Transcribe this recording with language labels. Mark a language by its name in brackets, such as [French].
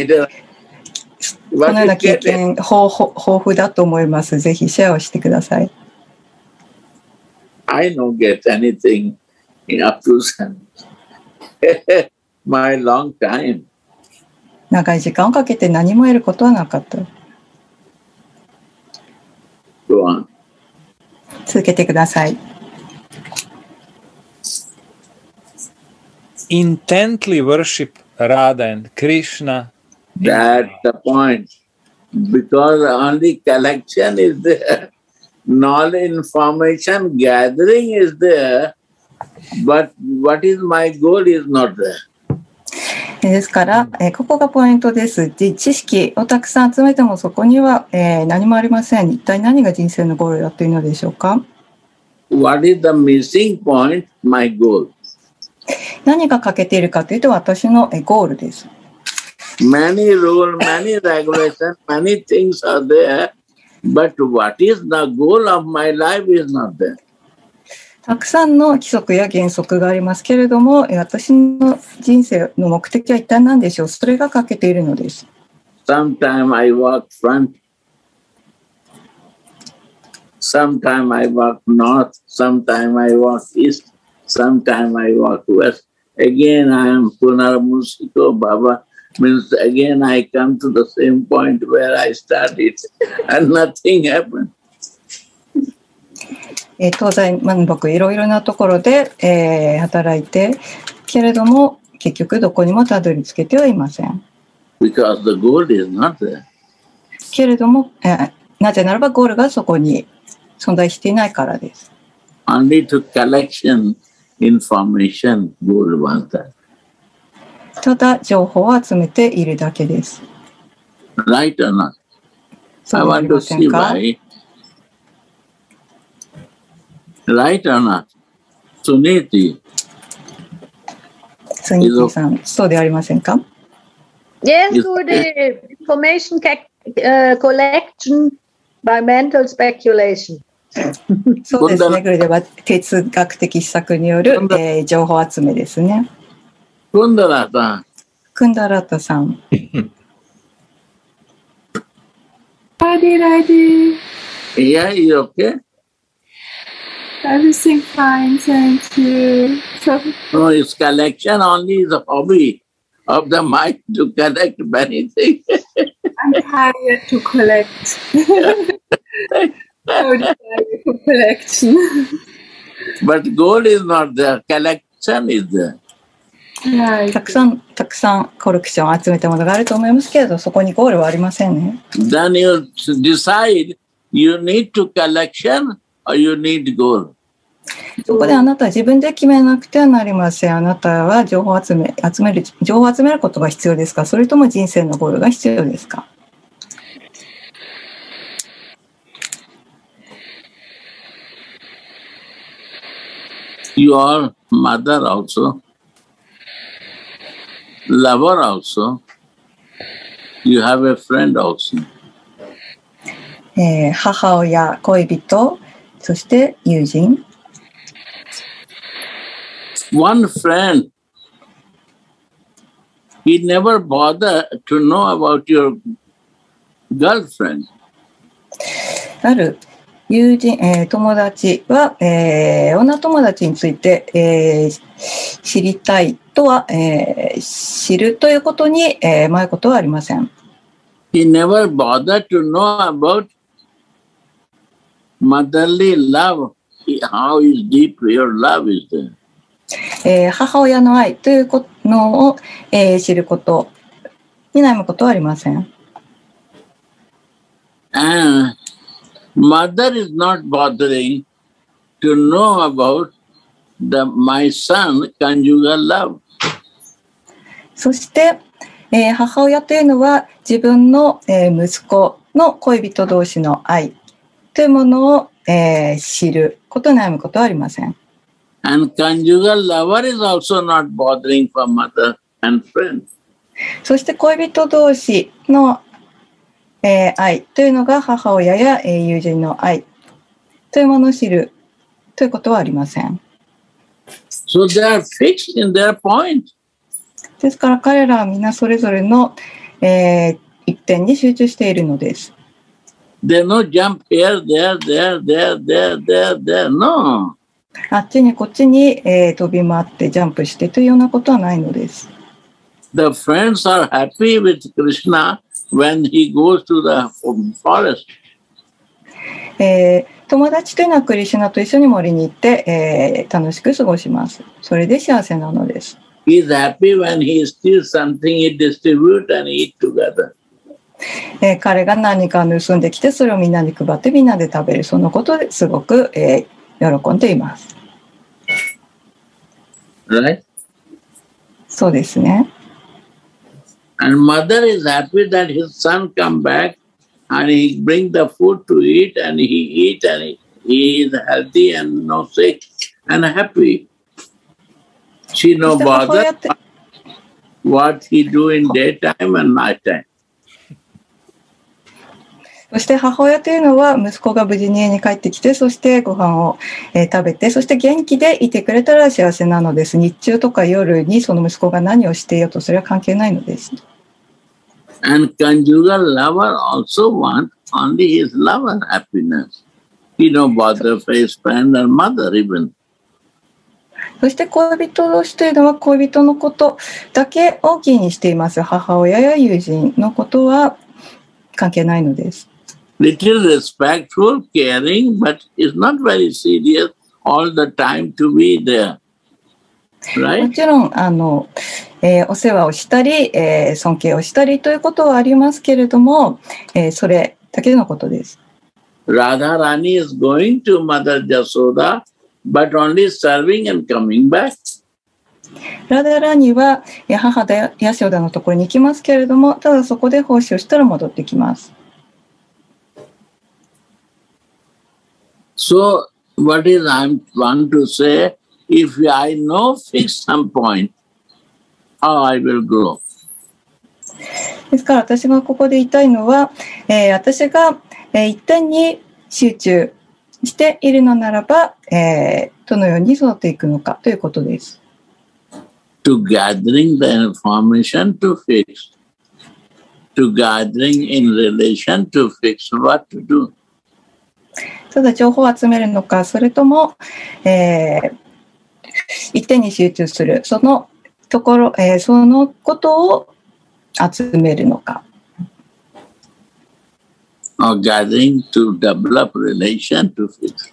[Japanese] このような経験豊富だと思います。ぜひシェアをしてください。 [English] I don't get anything in up to my long time. [Japanese] 長い時間をかけて何も得ることはなかった。 [English] Go on. [Japanese] 続けてください。 [English] Intently worship Radha and Krishna. That's the point. Because only collection is there. Knowledge, information, gathering is there. But what is my goal is not there. [Japanese] ですから、ここがポイントです。知識をたくさん集めてもそこには、何もありません。一体何が人生のゴールだというのでしょうか。 [English] What is the missing point? My goal. [Japanese] 何が欠けているかというと私のゴールです。 [English] Many rules, many regulations, many things are there, but what is the goal of my life is not there. [Japanese] たくさんの規則や原則がありますけれども、私の人生の目的は一体何でしょう。それが欠けているのです。 [English] Sometime I walk front, sometime I walk north, sometime I walk east. Sometime I walk west. Again I am Punarmusiko Baba. Means again I come to the same point where I started and nothing happened. [Japanese] 東西南北いろいろなところで、働いてけれども結局どこにもたどり着けてはいません。 [English] Because the goal is not there. [Japanese] けれども、なぜならばゴールがそこに存在していないからです。 [English] Only to collection. Information, goal was that. [Japanese] ただ情報を集めているだけです。 [English] Right or not? I want to see why. Right or not? Suniti. [Japanese] Suniti さん、そうでありませんか? [English] Yes, for the information collection by mental speculation. [Japanese] そうですね。これでは哲学的施策による、情報集めですね。クンダラさん、 [English] Kundarata san. Party lady. Yeah, you okay? Everything fine, thank you. No, oh, it's collection only, is a hobby of the mind to collect many things. I'm tired to collect. So tired for collection. But goal is not there, collection is there. [Japanese] たくさんたくさんコレクションを集めたものがあると思いますけれど、そこにゴールはありませんね。 [English] Then you decide you need to collection or you need goal. [Japanese] そこであなたは自分で決めなくてはなりません。あなたは情報集める情報を集めることが必要ですか、それとも人生のゴールが必要ですか。 [English] You are mother also. Lover also. You have a friend also. [Japanese] 母親、恋人、そして友人。 [English] One friend. He never bother to know about your girlfriend. [Japanese] ある友人、友達は、女友達について、知りたい。とは、知るということに、迷うことはありません。 [English] He never bothered to know about motherly love, how is deep your love is there. [Japanese] 母親の愛というのを、知ることに悩むことはありません。 [English] And mother is not bothering to know about the, my son conjugal love. [Japanese] そして、母親というのは自分の、息子の恋人同士の愛というものを、知ることに悩むことはありません。 [English] And conjugal lover is also not bothering for mother and friend. [Japanese] そして恋人同士の、愛というのが母親や、友人の愛というものを知るということはありません。 [English] So they are fixed in their point. [Japanese] ですから彼らはみんなそれぞれの、一点に集中しているのです。 [English] They no jump here, there, there, there, there, there, there, no. [Japanese] あっちにこっちに、飛び回ってジャンプしてというようなことはないのです。 [English] The friends are happy with Krishna when he goes to the forest. [Japanese] 友達というのはクリシュナと一緒に森に行って、楽しく過ごします。それで幸せなのです。 [English] He is happy when he steals something, he distributes and eat together. [Japanese] 彼が何か盗んできて、それをみんなに配ってみんなで食べる。そのことですごく、喜んでいます。 [English] Right? [Japanese] そうですね。 [English] And mother is happy that his son come back and he bring the food to eat and he eat and he is healthy and not sick and happy. She no bother what he do in daytime and night time. [Japanese] そして母親というのは息子が無事に家に帰ってきて、そしてご飯を、食べて、そして元気でいてくれたら幸せなのです。日中とか夜にその息子が何をしていようとそれは関係ないのです。 [English] And conjugal lover also want only his love and happiness. He no bother for his friend and mother even. [Japanese] そして恋人同士というのは恋人のことだけ大きいにしています。母親や友人のことは関係ないのです。 [English] Little respectful, caring, but it's not very serious all the time to be there. Right? [Japanese] もちろん、お世話をしたり、尊敬をしたりということはありますけれども、それだけのことです。 [English] Radha Rani is going to Mother Jasoda. But only serving and coming back. [Japanese] ラダラニは母でヤシオダのところに行きますけれども、ただそこで奉仕をしたら戻ってきます。 [English] So what is I want to say? If I know fix some point, how I will grow. [Japanese] ですから私がここで言いたいのは、私が、一点に集中。しているのならば、どのように育っていくのかということです。 [English] to gathering the information to fix, to gathering in relation to fix what to do. [Japanese] そうだ、情報を集めるのか、それとも、一点に集中する、そのところ、そのことを集めるのか。 [English] Or gathering to develop relation to fix.